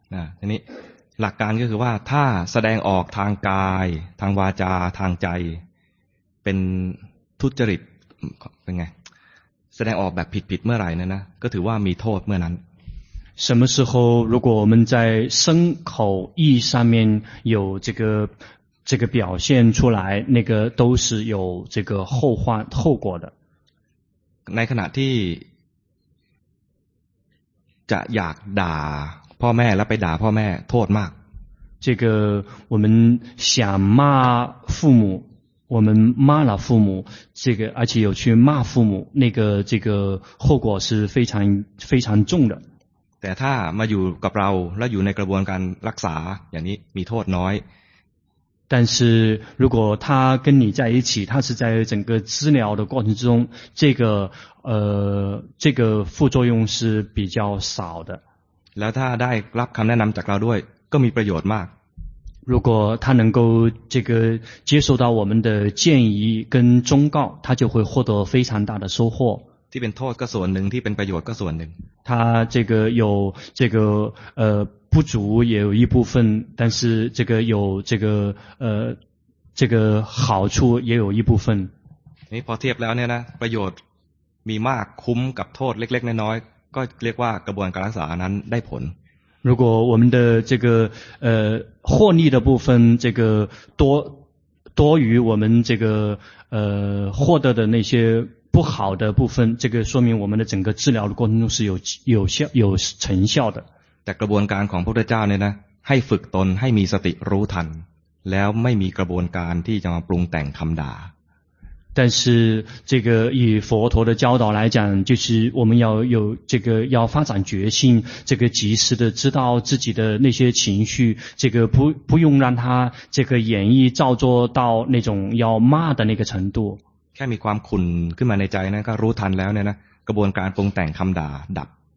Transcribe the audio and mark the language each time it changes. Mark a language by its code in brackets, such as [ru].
[th] นะทีนี้หลักการก็คือว่าถ้าแสดงออกทางกายทางวาจาทางใจเป็นทุจริตเป็นไงแสดงออกแบบผิดเมื่อไหร่นะก็ถือว่ามีโทษเมื่อนั้น [zh] 什么时候如果我们在身口意上面有这个表现出来那个都是有这个后果的 [th] ในขณะที่จะอยากด่าพ่อแม่แล้วไปด่าพ่อแม่โทษมาก [zh] 这个我们想骂父母我们骂了父母这个而且有去骂父母那个这个后果是非常非常重的 [th] แต่ถ้ามาอยู่กับเราแล้วอยู่ในกระบวนการรักษาอย่างนี้มีโทษน้อย [zh] 但是如果他跟你在一起他是在整个治疗的过程中这个副作用是比较少的 [th] แล้วถ้าได้รับคำแนะนำจากเราด้วยก็มีประโยชน์มาก [zh] 如果他能够这个接受到我们的建议跟忠告他就会获得非常大的收获 [th] ที่เป็นโทษก็ส่วนหนึ่งที่เป็นประโยชน์ก็ส่วนหนึ่ง [zh] 他这个有这个不足也有一部分但是这个有这个好处也有一部分 [th] นี่พอเทียบแล้วเนี่ยนะประโยชน์มีมากคุ้มกับโทษเล็กๆน้อยๆก็เรียกว่ากระบวนการรักษานั้นได้ผล [zh] 如果我们的这个获利的部分这个多于我们这个获得的那些不好的部分这个说明我们的整个治疗的过程中是有效有成效的 [th] แต่กระบวนการของพระพุทธเจ้าเนี่ยนะให้ฝึกตนให้มีสติรู้ทันแล้วไม่มีกระบวนการที่จะมาปรุงแต่งคำด่า [zh] 但是这个以佛陀的教导来讲就是我们要有这个要发展觉性这个及时的知道自己的那些情绪这个不用让他这个演绎造作到那种要骂的那个程度 [th] แค่มีความขุ่นขึ้นมาในใจนะก็รู้ทันแล้วเนี่ยนะกระบวนการปรุงแต่งคำด่าดับ